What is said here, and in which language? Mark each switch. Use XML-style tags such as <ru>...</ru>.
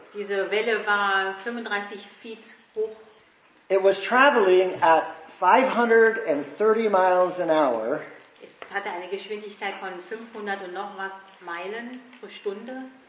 <de>Diese Welle war 35 feet hoch.</de> <en>It was traveling at 530 miles an hour.</en> <de>Es hatte eine Geschwindigkeit von 500 und noch was Meilen pro Stunde.</de>